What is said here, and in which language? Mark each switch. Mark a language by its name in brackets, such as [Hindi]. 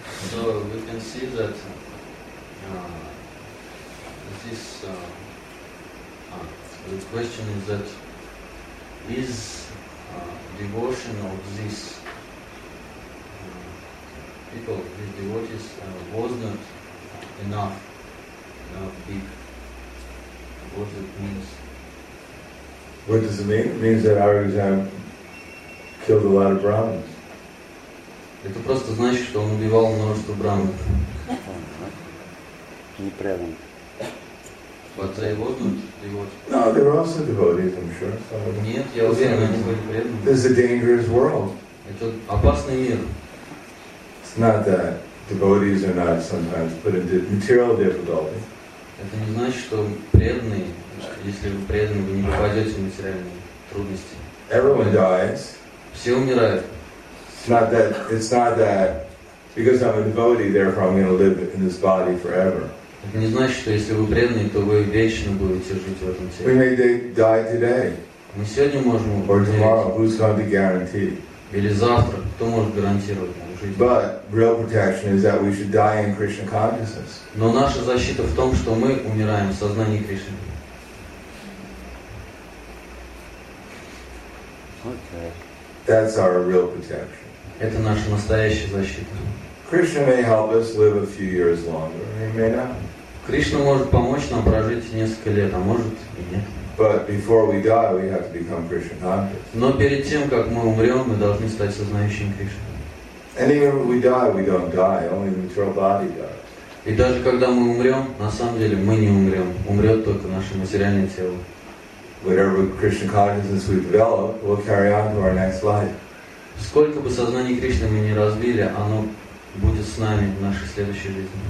[English] So we can see that the question is that is devotion of these people, these devotees, was not enough, big? What it means? What does it mean? It means that our exam killed a lot of Brahmins. [Russian] Это просто значит, что он убивал множество Брахманов. Не преданный. [English] But they wasn't devotees. No, they were also devotees, I'm sure. So, [Russian] нет, я уверен, они были преданные. [English] This is a dangerous world. [Russian] Это опасный мир. [English] It's not that devotees are not sometimes put into material difficulty. [Russian] Это не значит, что преданные, если вы преданы, вы не попадете в материальные трудности. [English] Everyone dies. [Russian] Все умирают. [English] It's not that because I'm a devotee, therefore I'm going to live in this body forever. [Russian] Это не значит, что если вы преданный, то вы вечно будете жить в этом теле. [English] We may die today. [Russian] Мы сегодня можем умереть. [English] Or tomorrow. Who's going to guarantee? [Russian] Или завтра. Кто может гарантировать нам жизнь? [English] But real protection is that we should die in Krishna consciousness. [Russian] Но наша защита в том, что мы умираем в сознании Кришны. [English] Okay. That's our real protection. [Russian] Это наша настоящая защита. [English] Krishna may help us live a few years longer. He may not. [Russian] Кришна может помочь нам прожить несколько лет, а может и нет. [English] But before we die, we have to become Krishna conscious. [Russian] Но перед тем, как мы умрем, мы должны стать сознающим Кришну. [English] And even when we die, we don't die. Only the material body dies. [Russian] И даже когда мы умрем, на самом деле мы не умрем. Умрет только наше материальное тело. [English] Whatever Krishna consciousness we develop, we'll carry on to our next life. [Russian] Сколько бы сознание Кришны мы не развили, оно будет с нами в нашей следующей жизни.